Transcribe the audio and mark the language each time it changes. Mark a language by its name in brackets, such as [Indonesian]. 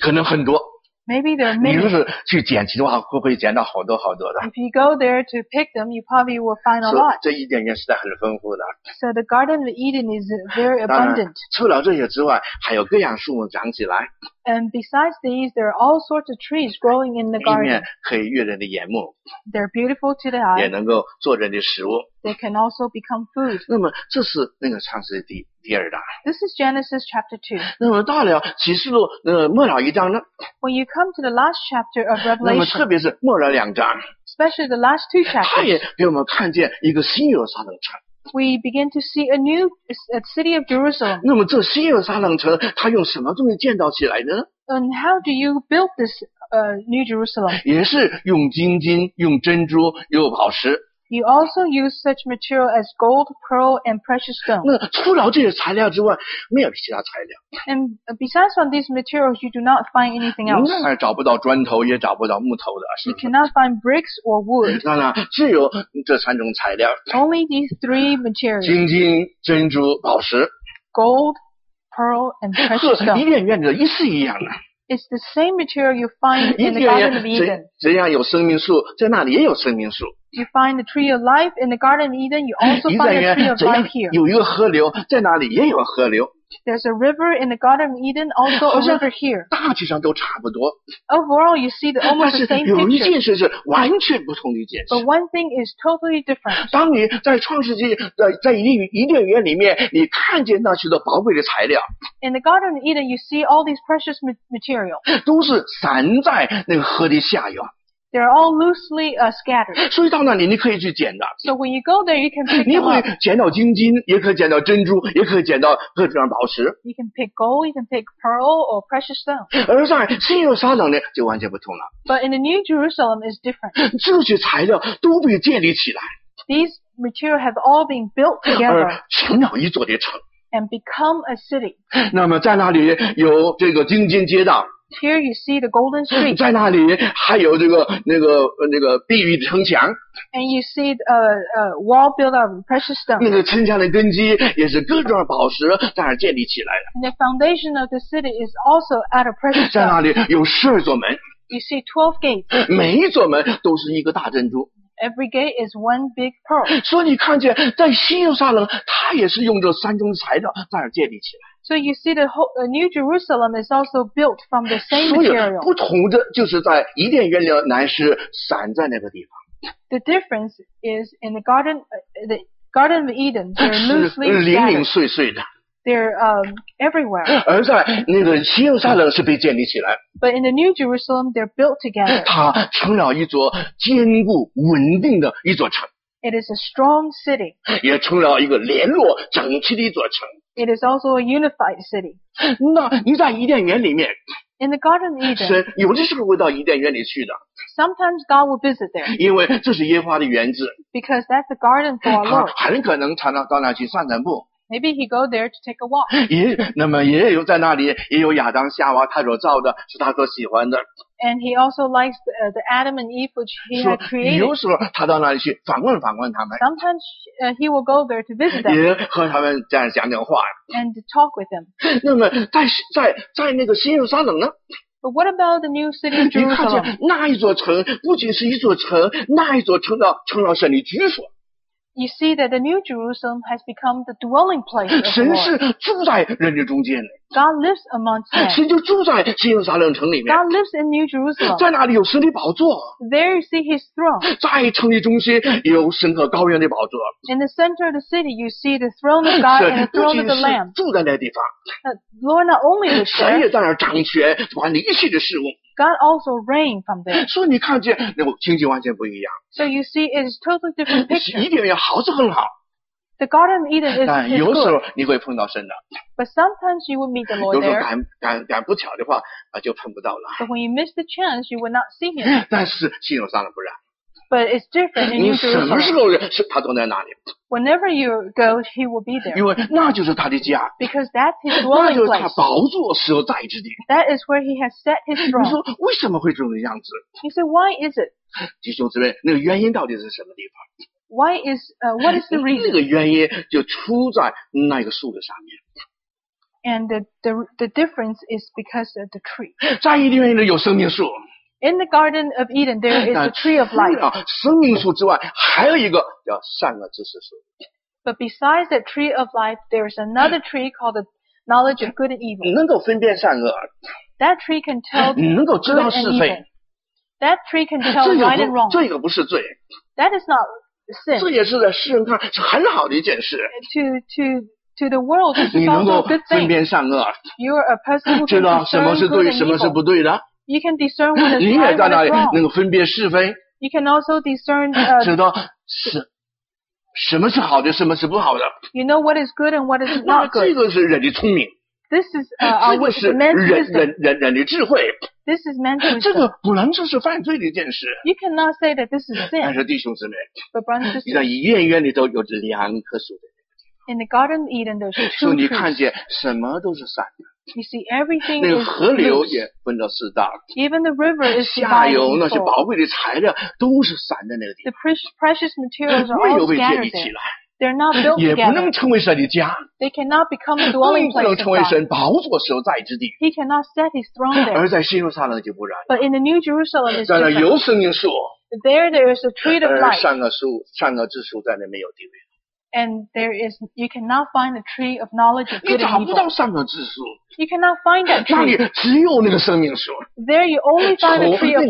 [Chinese] 可能很多。 [English] Maybe there are many. [Chinese] 你若是去捡起的话，会不会捡到好多好多的 [English] ？If you go there to pick them, you probably will find a lot. [Chinese] 这伊甸园实在很丰富的。 [English] So the Garden of Eden is very abundant. [Chinese] 除了这些之外，还有各样树木长起来。 [English] And besides these, there are all sorts of trees growing in the garden. [Chinese] 一面可以悦人的眼目。 [English] They're beautiful to the eye. [Chinese] 也能够做人的食物。 [English] They can also become food. [Chinese] 那么这是那个创世纪第二章。 [English] This is Genesis chapter 2. [Chinese] 那么到了启示录末了一章呢 [English] ？When you come to the last chapter of Revelation. [Chinese] 那么特别是末了两章。 [English] Especially the last two chapters. [Chinese] 它也给我们看见一个新耶路撒冷城。 [English] We begin to see a new city of Jerusalem. [Chinese] 那么这新耶路撒冷城，它用什么东西建造起来的呢 [English] ？And how do you build this new Jerusalem? [Chinese] 也是用金金、用珍珠、用宝石。 [English] You also use such material as gold, pearl, and precious stone. [Chinese] 那除了这些材料之外，没有其他材料。 [English] And besides on these materials, you do not find anything else. [Chinese] 那找不到砖头，也找不到木头的。 [English] You cannot find bricks or wood. [Chinese] 那只有这三种材料。 [English] Only these three materials. [Chinese] 金金、珍珠、宝石。 [English] Gold, pearl, and precious stone. [Chinese] 和伊甸园的一式一样的。 [English] It's the same material you find in the Garden of Eden. [Chinese] 这样有生命树，在那里也有生命树。 [English] You find the tree of life in the Garden of Eden. You also find the tree of life here. [Chinese] 有一个河流，在那里也有河流。 [English] There's a river in the Garden of Eden, also a river here. [Chinese] 大体上都差不多。 [English] Overall, you see the almost the same picture. [Chinese] 但是有一件事是完全不同的一件事。 [English] But one thing is totally different. [Chinese] 当你在创世纪在伊甸园里面，你看见那许多宝贵的材料。 [English] In the Garden of Eden, you see all these precious material. [Chinese] 都是散在那个河的下游。 [English] They're all loosely scattered. [Chinese] 所以到那里你可以去捡的。 [English] So when you go there, you can pick them up. [Chinese] 你会捡到金金，也可以捡到珍珠，也可以捡到各种宝石。 [English] You can pick gold, you can pick pearl or precious stone. [Chinese] 而在新耶路撒冷呢，就完全不同了。 [English] But in the New Jerusalem, it's different. [Chinese] 这些材料都被建立起来。 [English] These materials have all been built together. [Chinese] 而成了一座的城。 [English] And become a city. [Chinese] 那么在那里有这个金金街道。 [English] Here you see the golden street. [Chinese] 在那里还有这个那个碧玉城墙。 [English] And you see a wall built of precious stone. [Chinese] 那个城墙的根基也是各种宝石在那建立起来的。 [English] And the foundation of the city is also out of precious stone. [Chinese] 在那里有12座门。 [English] You see 12 gates. [Chinese] 每一座门都是一个大珍珠。 [English] Every gate is one big pearl. [Chinese] 所以你看见在新耶路撒冷它也是用这三种材料在那建立起来。 [English] So you see the whole, New Jerusalem is also built from the same material. [Chinese] 所以不同的就是在伊甸园里乃是散在那个地方。 [English] The difference is in the Garden of Eden, they're loosely scattered. [Chinese] 是零零碎碎的。 [English] They're everywhere. [Chinese] 而在那个新耶路撒冷是被建立起来。 [English] But in the New Jerusalem, they're built together. [Chinese] 它成了一座坚固稳定的一座城。 [English] It is a strong city. [Chinese] 也成了一个联络整齐的一座城。 [English] It is also a unified city. [Chinese] 那你在伊甸园里面。 [English] In the Garden of Eden. [Chinese] 神有的时候会到伊甸园里去的。 [English] Sometimes God will visit there. [Chinese] 因为这是耶和华的园子。 [English] Because that's the garden for our Lord. [Chinese] 他很可能常常到那去散散步。 [English] Maybe he go there to take a walk. [Chinese] 也那么也有在那里也有亚当夏娃他所造的是他所喜欢的。 [English] And he also likes the Adam and Eve which he had created. [Chinese] 有时候他到那里去访问访问他们。 [English] Sometimes he will go there to visit them. [Chinese] 也和他们这样讲讲话。 [English] And talk with them. [Chinese] 那么在那个新耶路撒冷呢？ [English] But what about the new city of Jerusalem? [Chinese] 你看见那一座城不仅是一座城，那一座城要成了神的居所。 [English] You see that the New Jerusalem has become the dwelling place of God. [Chinese] 神是住在人的中间。 [English] God lives amongst men. [Chinese] 神就住在新耶路撒冷城里面。 [English] God lives in New Jerusalem. [Chinese] 在那里有神的宝座。 [English] There you see His throne. [Chinese] 在城的中心有神和羔羊的宝座。 [English] In the center of the city, you see the throne of God and the throne of the Lamb. [Chinese] 住在那地方。 [English] Lord not only lives there. [Chinese] 神也在那掌权，管理一切的事物。 [English] God also reigned from there. [Chinese] 所以你看见，那情景完全不一样。 [English] So you see, it is totally different picture. [Chinese] 伊甸园好是很好。 [English] The Garden of Eden is. [Chinese] 但有时候你会碰到神的。 [English] But sometimes you will meet the Lord there. [Chinese] 有时候赶不巧的话，就碰不到了。 [English] But when you miss the chance, you will not see him. [Chinese] 但是心有上了不然。 [English] But it's different in New Jerusalem. [Chinese] 你什么时候他都在那里。 [English] Whenever you go, he will be there. [Chinese] 因为那就是他的家。 [English] Because that's his dwelling place. [Chinese] 那就是他宝座所在之地。 [English] That is where he has set his throne. [Chinese] 你说为什么会这种样子？ [English] He said, why is it? [Chinese] 弟兄姊妹，那个原因到底是什么地方？ [English] Why is, what is the reason? [Chinese] 那个原因就出在那个树的上面。 [English] And the difference is because of the tree. [Chinese] 在伊甸园里有生命树。 [English] In the Garden of Eden, there is a tree of life. [Chinese] 除了生命树之外，还有一个叫善恶知识树。 [English] But besides that tree of life, there is another tree called the knowledge of good and evil. [Chinese] 能够分辨善恶。 [English] That tree can tell good and evil. [Chinese] 能够知道是非。 [English] That tree can tell right and wrong. [Chinese] 这个不是罪。 [English] That is not sin. [Chinese] 这也是在世人看是很好的一件事。 [English] To the world, this is also a good thing. [Chinese] 你能够分辨善恶。 [English] You are a person who can discern good and evil. [Chinese] 知道什么是对，什么是不对的。 [English] You can discern what is right and wrong. [Chinese] 你也在那里能够分辨是非。 [English] You can also discern [Chinese] 知道什么是好的，什么是不好的。 [English] You know what is good and what is not good. [Chinese] 这个是人的聪明。 [English] This is our wisdom. [Chinese] 这个是人的智慧。 [English] This is man's wisdom. [Chinese] 这个不能说是犯罪的一件事。 [English] You cannot say that this is sin. [Chinese] 但是弟兄姊妹， [English] But brothers and sisters, [Chinese] 你在伊甸园里头有着两棵树。 [English] In the Garden of Eden, there's two trees. [Chinese] 所以你看见什么都是散的。 [English] You see, everything [Chinese] 那个河流也分了四大。 [English] Even the river is [Chinese] 下游那些宝贵的材料都是散在那个地方。 [English] The precious materials are all scattered. [Chinese] 没有被建立起来。 [English] They're not built [Chinese] together. 也不能成为神的家。 [English] They cannot become a dwelling place. [Chinese] 不能成为神宝座所在之地。 [English] He cannot set his throne there. [Chinese] 而在新耶路撒冷就不然。 [English] But in the New Jerusalem, it's [Chinese] 在那有生命树。 [English] There is a tree of life. [Chinese] 而善恶树、善恶之树在那没有地位。 [English] And there is, you cannot find the tree of knowledge of good and evil. [Chinese] 你找不到善恶之树。 [English] You cannot find that tree. [Chinese] 那里只有那个生命树。 [English] There you only find the tree of life.